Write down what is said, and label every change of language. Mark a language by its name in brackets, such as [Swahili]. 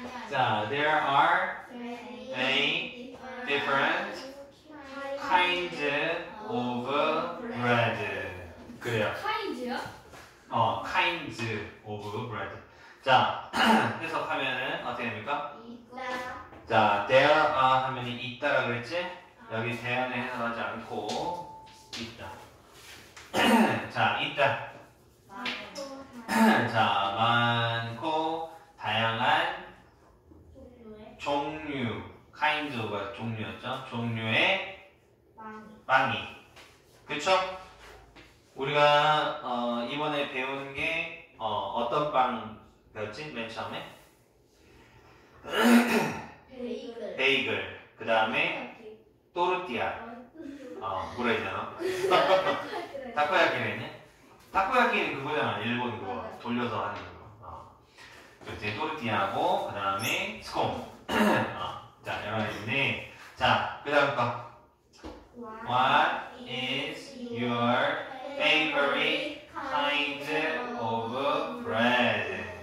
[English] 자, there are many different kinds of bread. [Korean] 그래요. [English] Kinds요? Kinds of bread. [Korean] 자, 해석하면은 어떻게 됩니까? 있다. 자, there are 하면 있다라고 그랬지? 여기 대안에 해석하지 않고 있다. 자, 있다. 자, 많고 다양한 종류의 [English] kinds of [Korean] 종류였죠? 종류의 빵이 그쵸? 우리가 이번에 배운 게 어떤 빵 배웠지? 맨 처음에? 베이글 그 다음에 또르띠아 뭐라 했잖아? 타코야키라 했냐? 타코야키는 그거잖아 일본 그거 돌려서 하는 거 그때 토르티아하고 그 다음에 스콘 자 여러분 있네. 자 그 다음 거 [English] What is your favorite kind of bread?